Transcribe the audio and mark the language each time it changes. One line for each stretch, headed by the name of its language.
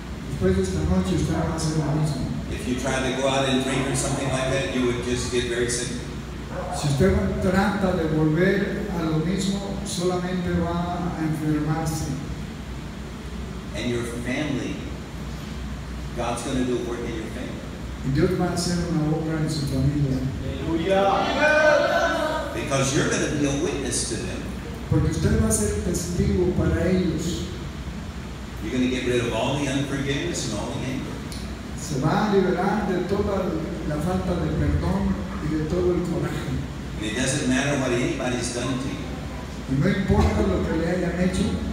Spanish: Después de esta noche usted va a ser lo mismo.
English: If you try to go out and drink or something like that, you would just get very sick.
Spanish: Si usted trata de volver a lo mismo, solamente va a enfermarse.
English: And your family, God's going to do a work in your family.
Spanish: Y Dios va a hacer una obra en su familia.
English: Because you're going to be a witness to them.
Spanish: Porque usted va a ser testigo para ellos.
English: You're going to get rid of all the unforgiveness and all the anger.
Spanish: Se va a liberar de toda la falta de perdón y de todo el coraje.
English: And it doesn't matter what anybody's done to you.
Spanish: Y no importa lo que le hayan hecho.